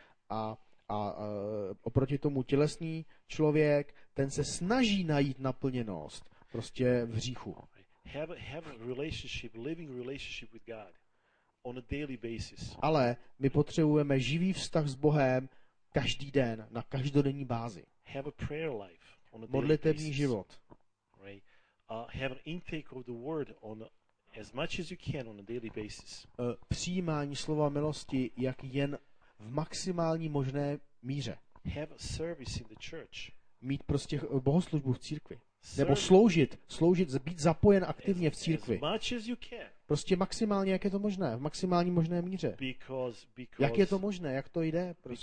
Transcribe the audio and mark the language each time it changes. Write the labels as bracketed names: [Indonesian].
[Czech] A oproti tomu tělesný člověk, ten se snaží najít naplněnost prostě v hříchu. [English] Have a relationship, living relationship with God on a daily basis. [Czech] Ale my potřebujeme živý vztah s Bohem každý den na každodenní bázi. [English] Have a prayer life on a daily. [Czech] Modlitevní život. [English] Right. Have an intake of the word on as much as you can on a daily basis. [Czech] Přijímání slova milosti jak jen v maximální možné míře. [English] Have a service in the church. [Czech] Mít prostě bohoslužbu v církvi. Nebo sloužit, být zapojen aktivně v církvi. Prostě maximálně, jak je to možné, v maximální možné míře. Jak je to možné, jak to jde?